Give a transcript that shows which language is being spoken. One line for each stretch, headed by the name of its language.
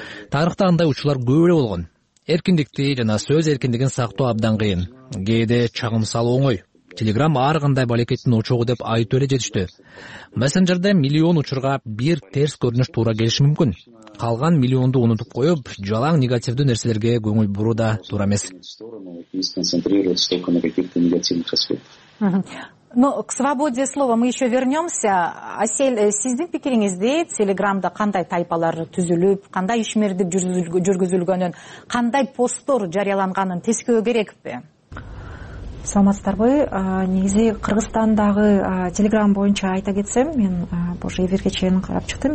Kyrgyz: Тарыхта андай учурлар көп эле болгон. Эркиндикти жана сөз эркиндигин сактоо абдан кыйын, кээде чагымсал оңой. Телеграм ар кандай балекеттин очогу деп айтып эле жетиштүү. Мессенджерде миллион учурга бир терс көрүнүш туура келиши мүмкүн. Калган миллионду унутуп коюп, жалаң негативдүү нерселерге көңүл буруу да туура эмес.
Russian: Но к свободе слова мы еще вернемся.
Kyrgyz: Асель, сиздин пикириңизди телеграмда кандай тайпалар түзүлүп, кандай ишмердик жүргүзүлгөнүн, кандай посттор жарыяланганын тескөө керекпи? Саламатсыздарбы. Негизи Кыргызстандагы Телеграм боюнча айта кетсем, мен боже эфирге чейин карап чыктым.